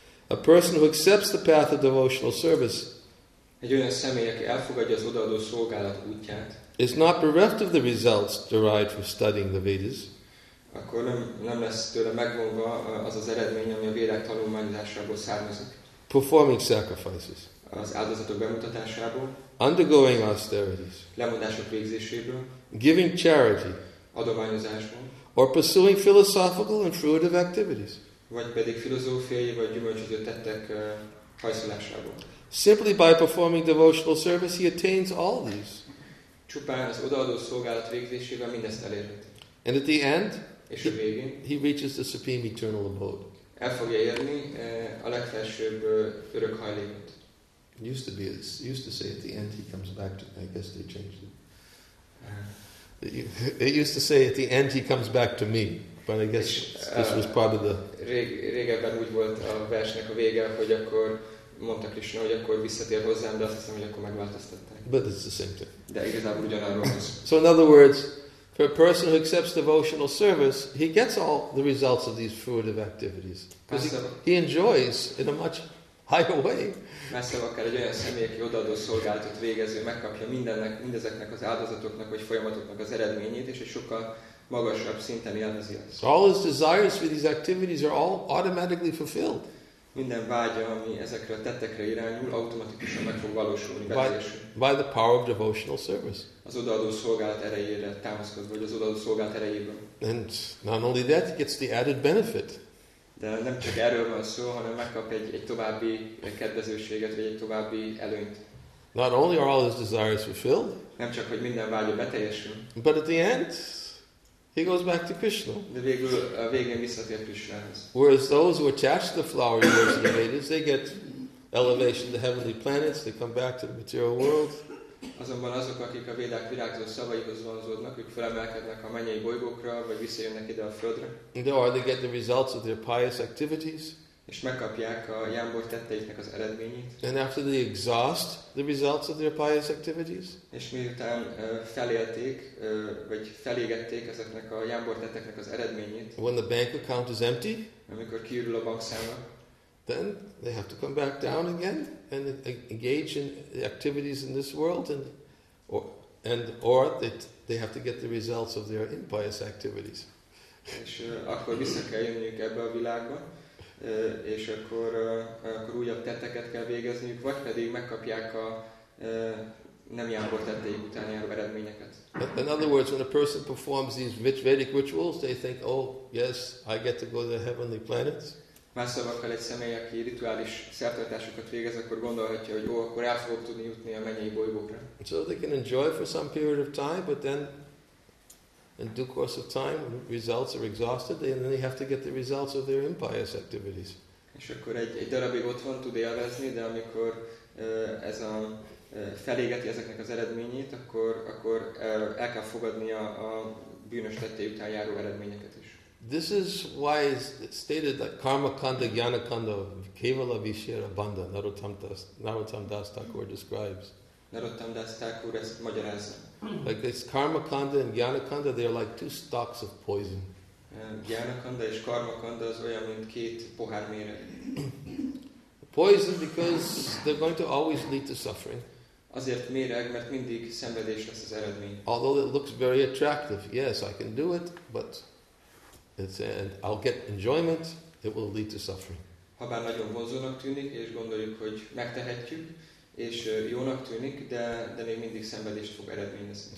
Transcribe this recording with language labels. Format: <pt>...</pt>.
<en>A person who accepts the path of devotional service,</en> <hu>egy olyan személy, aki elfogadja az odaadó szolgálat útját,</hu> <en>is not bereft of the results derived from studying the Vedas,</en> <hu>akkor nem lesz tőle megvonva az az eredmény, ami a Védák tanulmányzásából származik.</hu> <en>Performing sacrifices,</en> <hu>az áldozatok bemutatásából,</hu> <en>undergoing austerities,</en> <hu>lemondások végzéséből,</hu> <en>giving charity,</en> <hu>adományozásból,</hu> <en>or pursuing philosophical and fruitive activities,</en> <hu>vagy pedig filozófiai vagy gyümölcsöző tettek hajszolásából.</hu> <en>Simply by performing devotional service he attains all these.</en> <hu>Csupán az odaadó szolgálat végzésével mindezt elérheti.</hu> <en>And at the end,</en> <hu>és a végén,</hu> <en>he reaches the supreme eternal abode.</en> <hu>El fogja érni a legfelsőbb örök hajlékot.</hu> <en>Used to say at the end he comes back to, I guess they changed it. It used to say at the end he comes back to me, but I guess this was part of the.</en> <hu>Régebben úgy volt a versnek a vége, hogy akkor mondta Krishna, hogy akkor visszatér hozzám, de azt hiszem, hogy akkor megváltoztatták.</hu> <en>But it's the same thing.</en> <hu>De igazából ugyanarról van.</hu> <en>So in other words, for a person who accepts devotional service, he gets all the results of these fruitive activities. Because he enjoys in a much higher way.</en> <hu>Messzebb akár egy olyan személy, aki odaadó szolgálatot végező, megkapja mindezeknek az áldozatoknak vagy folyamatoknak az eredményét, és egy sokkal magasabb szinten élvezi azt.</hu> <en>All his desires for these activities are all automatically fulfilled.</en> <hu>Minden vágya, ami ezekre a tettekre irányul, automatikusan meg fog valósulni befejezésre.</hu> <en>By the power of devotional service.</en> <hu>Az odaadó szolgálat erejére támaszkodva, vagy az odaadó szolgálat erejében.</hu> <en>And not only that, he gets the added benefit.</en> <hu>De nem csak erről van szó, hanem megkap egy további kedvezőséget, vagy egy további előnyt.</hu> <en>Not only are all his desires fulfilled,</en> <hu>nem csak, hogy minden vágya beteljesül,</hu> <en>but at the end, he goes back to Krishna.</en> <hu>De végül, a végén visszatér Krishnához.</hu> <en>Whereas those who attach the flowery words of the Vedas, they get elevation to heavenly planets, they come back to the material world.</en> <hu>Azonban azok, akik a Védák virágzó szavaihoz vonzódnak, ők felemelkednek a mennyei bolygókra, vagy visszajönnek ide a Földre.</hu> <en>Or they get the results of their pious activities.</en> <hu>És megkapják a jámbor tetteiknek az eredményét.</hu> <en>And after they exhaust the results of their pious activities.</en> <hu>És miután felélték, vagy felégették ezeknek a jámbor tetteknek az eredményét.</hu> <en>When the bank account is empty.</en> <hu>Amikor kiürül a bankszámla.</hu> <en>Then they have to come back down again and engage in activities in this world, and or they have to get the results of their impious activities.</en> <hu>És akkor vissza kell jönniük ebbe a világba, és akkor újabb tetteket kell végezniük, vagy pedig megkapják a nem jámbor tetteik után járó eredményeket.</hu> <en>In other words, when a person performs these Vedic rituals, they think, oh yes, I get to go to the heavenly planets.</en> <hu>Más szavakkal egy személy, aki rituális szertartásokat végez, akkor gondolhatja, hogy jó, akkor el fogok tudni jutni a mennyei bolygókra.</hu> <en>So they can enjoy for some period of time, but then in due course of time, results are exhausted, and then they have to get the results of their impious activities.</en> <hu>És akkor egy darabig otthon tud élvezni, de amikor ez a felégeti ezeknek az eredményét, akkor el kell fogadni a bűnös tettei után járó eredményeket is.</hu> <en>This is why it's stated that karma kanda, jnana kanda,</en> <sa>kevala vishera bandha,</sa> <en>Narottam Das Thakur describes.</en> <hu>Narottam Das Thakur ezt magyarázza.</hu> <en>Like this karma kanda and jnana kanda, they are like two stalks of poison.</en> <hu>Jnana kanda és karma kanda az olyan, mint két pohár méreg.</hu> <en>Poison because they're going to always lead to suffering.</en> <hu>Azért méreg, mert mindig szenvedés lesz az eredmény.</hu> <en>Although it looks very attractive, yes, I can do it, but... It's, and I'll get enjoyment, it will lead to suffering.</en> <hu>Habár nagyon vonzónak tűnik, és gondoljuk, hogy megtehetjük, és jónak tűnik, de még mindig szenvedést fog eredményezni.</hu>